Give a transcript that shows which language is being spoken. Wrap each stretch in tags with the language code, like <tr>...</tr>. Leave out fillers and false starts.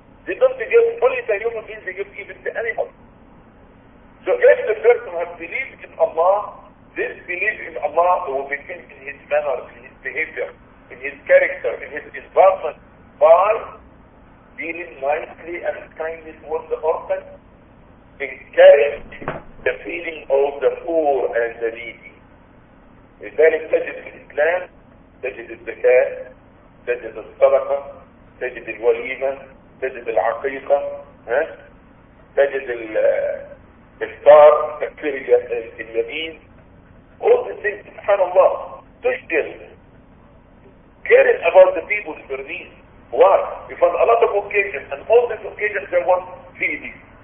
<en>They don't give only to human beings, they give even to animals. So if the person has belief in Allah, this belief in Allah will begin in his manner, in his behavior, in his character, in his environment, by dealing nicely and kindly towards the orphan, encourage the feeling of the poor and the needy.</en> <ar>لذلك تجد الإسلام، تجد الزكاة، تجد الصدقة، تجد الوليمة، تجد العقيقة، تجد الإفطار، تكفير اليمين،</ar> <en>all the things,</en> <ar>سبحان الله، تشكل.</ar> <en>Caring about the people who are needy. Why? Because a lot of occasions, and all these occasions, they want feeding.</en>